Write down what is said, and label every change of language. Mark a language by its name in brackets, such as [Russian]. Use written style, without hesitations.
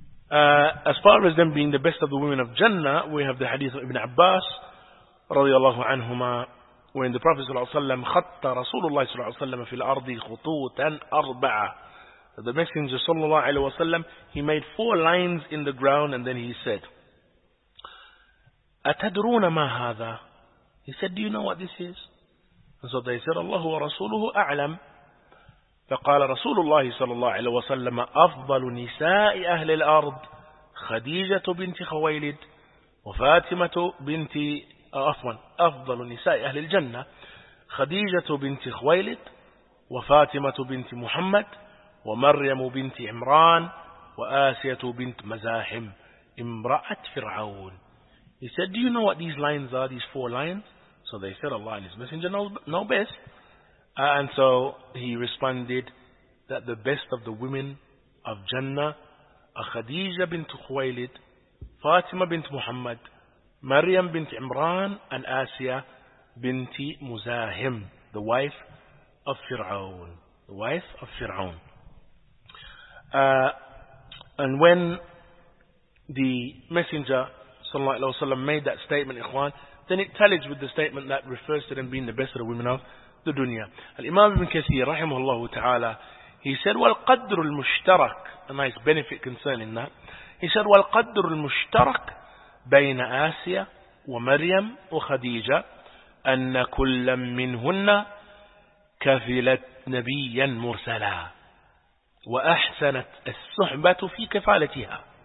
[English] As far as them being the best of the women of Jannah, we have the hadith of Ibn Abbas, radiallahu anhuma, when the Prophet ﷺ [Arabic] khatta Rasulullah ﷺ fil ardi khutootan arba'a. [English] The Messenger sallallahu alayhi wasallam, he made four lines in the ground and then he said, [Arabic] Atadruna ma hadha? [English] He said, do you know what this is? And so they said, [Arabic] Allahu wa rasuluhu a'lam. فقال رسول الله صلى الله عليه وسلم أفضل نساء أهل الأرض خديجة بنت خويلد وفاطمة بنت أفضل نساء أهل الجنة خديجة بنت خويلد وفاطمة بنت محمد ومريم بنت عمران وآسية بنت مزاحم امرأة فرعون. [English] He said, do you know what these lines are, these four lines? So they said, Allah and His Messenger know best. And so he responded that the best of the women of Jannah are Khadija bint Khuwaylid, Fatima bint Muhammad, Maryam bint Imran, and Asiya bint Muzahim, the wife of Fir'aun. The wife of Fir'aun. And when the Messenger sallallahu alayhi wa sallam made that statement, Ikhwan, then it tallies with the statement that refers to them being the best of the women of the dunya. Al-Imam Ibn Kathir, rahimahullah ta'ala, he said, [Arabic] والقدر المشترك, [English] a nice benefit concerning that, he said, [Arabic] والقدر المشترك بين آسيا ومريم وخديجة أن كل منهن كفلت نبيا مرسلا وأحسنت الصحبة في كفالتها